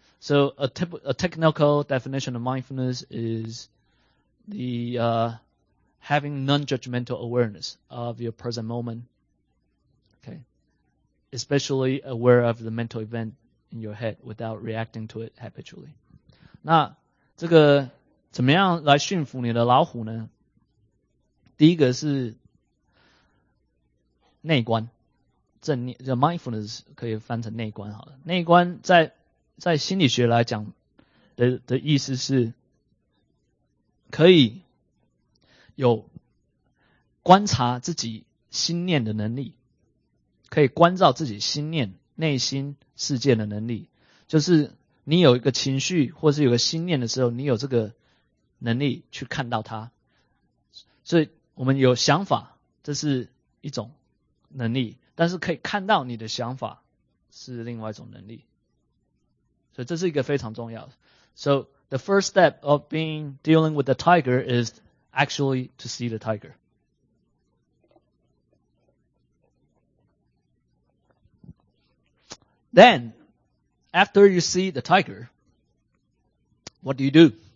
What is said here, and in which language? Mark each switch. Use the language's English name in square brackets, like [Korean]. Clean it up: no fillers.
[English] So a technical definition of mindfulness is the, having non-judgmental awareness of your present moment. Okay. Especially aware of the mental event in your head without reacting to it habitually. [Chinese] 那这个怎么样来驯服你的老虎呢？第一个是内观，正念，就 mindfulness 可以翻成内观好了。内观在心理学来讲的意思是，可以有观察自己心念的能力，可以关照自己心念内心世界的能力。就是你有一个情绪或是有个心念的时候，你有这个能力去看到它，所以。我们有想法，这是一种能力，但是可以看到你的想法是另外一种能力，所以这是一个非常重要的。 [English] So the first step of being dealing with the tiger is actually to see the tiger. Then, after you see the tiger, what do you do?